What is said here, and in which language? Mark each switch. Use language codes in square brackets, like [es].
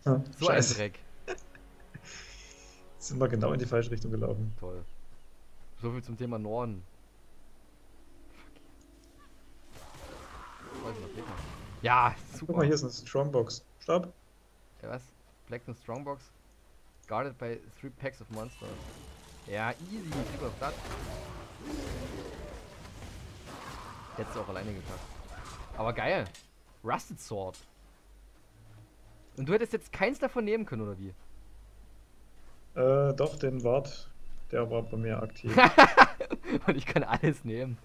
[de] Ja, so scheiße. Ein Dreck. Sind wir genau in die falsche Richtung gelaufen. Toll. So viel zum Thema Norden. Fuck. Ja, super. Guck mal, hier ist eine Strongbox. Stopp. Ja, was? Black and Strongbox? [en] Guarded by 3 packs of monsters. [de] Ja, easy, super platt. Hättest du auch alleine geschafft. Aber geil. Rusted Sword. Und du hättest jetzt keins davon nehmen können, oder wie? Doch, den Wart. Der war bei mir aktiv. Und ich kann alles nehmen.